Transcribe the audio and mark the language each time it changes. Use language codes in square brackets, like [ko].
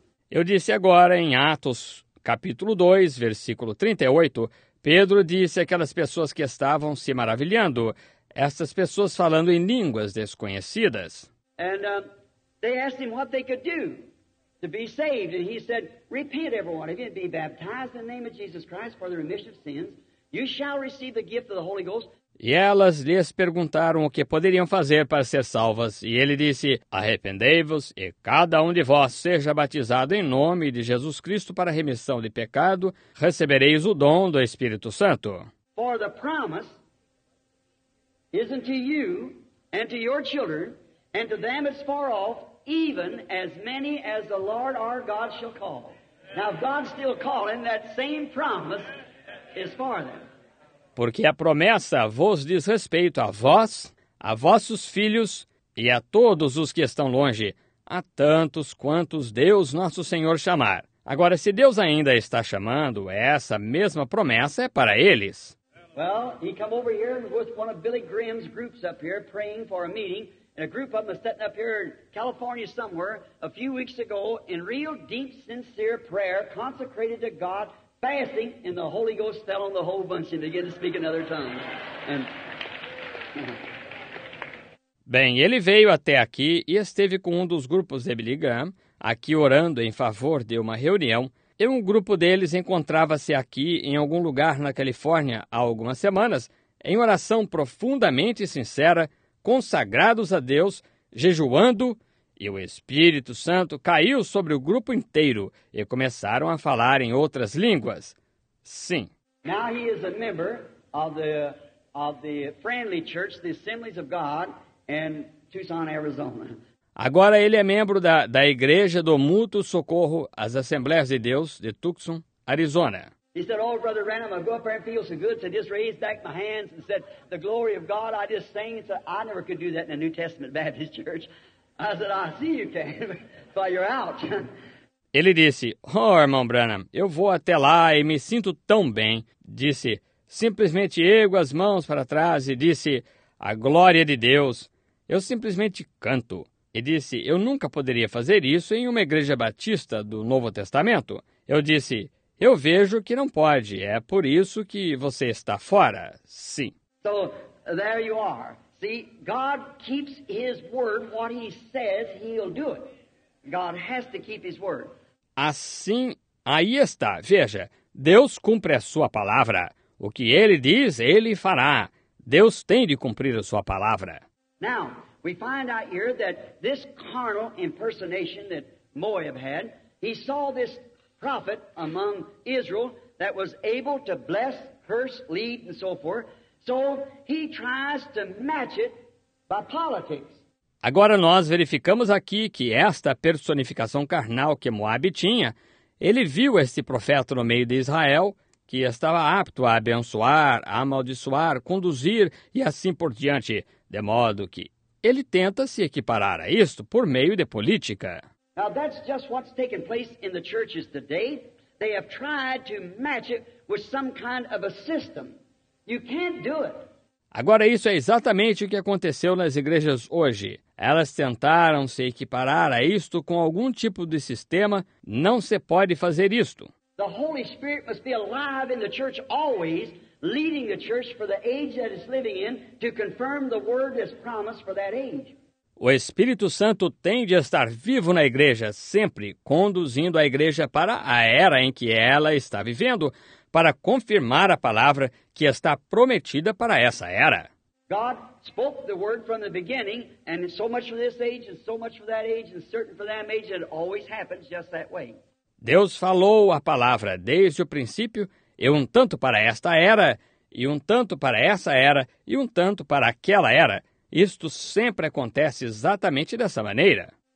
[pt] Eu disse agora em Atos, capítulo 2, versículo 38, Pedro disse àquelas pessoas que estavam se maravilhando, estas pessoas falando em línguas desconhecidas. [en] They asked him what they could do to be saved, and he said, repent, every one of you, and be baptized in the name of Jesus Christ for the remission of sins. You shall receive the gift of the Holy Ghost. [pt] E elas lhes perguntaram o que poderiam fazer para ser salvas, e ele disse, arrependei-vos, e cada um de vós seja batizado em nome de Jesus Cristo para remissão de pecado, recebereis o dom do Espírito Santo. [en] For the promise is unto you and to your children, and to them that's far off, even as many as the Lord our God shall call. Now, if God's still calling, that same promise is for them. [pt] Porque a promessa vos diz respeito a vós, a vossos filhos e a todos os que estão longe, a tantos quantos Deus nosso Senhor chamar. Agora, se Deus ainda está chamando, essa mesma promessa é para eles. [en] Well, he come over here with one of Billy Graham's groups up here praying for a meeting. And a group of them was sitting up here in California somewhere a few weeks ago in real deep sincere prayer consecrated to God, fasting, and the Holy Ghost fell on the whole bunch and began to speak in other tongues. And... [pt] Bem, ele veio até aqui e esteve com um dos grupos de Billy Graham, aqui orando em favor de uma reunião. E um grupo deles encontrava-se aqui em algum lugar na Califórnia há algumas semanas, em oração profundamente sincera, consagrados a Deus, jejuando, e o Espírito Santo caiu sobre o grupo inteiro e começaram a falar em outras línguas. Sim. [en] Now he is a member of the Friendly Church, the Assemblies of God, in Tucson, Arizona. [pt] Agora ele é membro da Igreja do Mútuo Socorro, as Assembleias de Deus, de Tucson, Arizona. [en] He said, oh, Brother Branham, I go up there and feel so good. So I just raised back my hands and said, the glory of God, I just sang. So I never could do that in a New Testament Baptist church. I said, I see you can, but you're out. [pt] Ele disse, oh, irmão Branham, eu vou até lá e me sinto tão bem. Disse, simplesmente ergo as mãos para trás e disse, a glória de Deus. Eu simplesmente canto. E disse, eu nunca poderia fazer isso em uma igreja batista do Novo Testamento. Eu disse, eu vejo que não pode, é por isso que você está fora, sim. [en] So, there you are. See, God keeps his word, what he says, he'll do it. God has to keep his word. [pt] Assim, aí está, veja, Deus cumpre a sua palavra. O que ele diz, ele fará. Deus tem de cumprir a sua palavra. [en] Now, we find out here that this carnal impersonation that Moab had, he saw this prophet among Israel that was able to bless, curse, lead, and so forth. So he tries to match it by politics. [pt] Agora nós verificamos aqui que esta personificação carnal que Moab tinha, ele viu este profeta no meio de Israel que estava apto a abençoar, a amaldiçoar, conduzir e assim por diante, de modo que ele tenta se equiparar a isto por meio de política. [en] Now that's just what's taking place in the churches today. They have tried to match it with some kind of a system. You can't do it. [pt] Agora isso é exatamente o que aconteceu nas igrejas hoje. Elas tentaram se equiparar a isto com algum tipo de sistema. Não se pode fazer isto. [en] The Holy Spirit must be alive in the church always, leading the church for the age that it's living in to confirm the word that's promised for that age. [pt] O Espírito Santo tem de estar vivo na igreja, sempre conduzindo a igreja para a era em que ela está vivendo, para confirmar a palavra que está prometida para essa era. [en] God spoke the word from the beginning, and so much for this age, and so much for that age, and certain for that age, it always happens just that way. [pt] Deus falou a palavra desde o princípio, e um tanto para esta era, e um tanto para essa era, e um tanto para aquela era. Isto sempre acontece exatamente dessa maneira.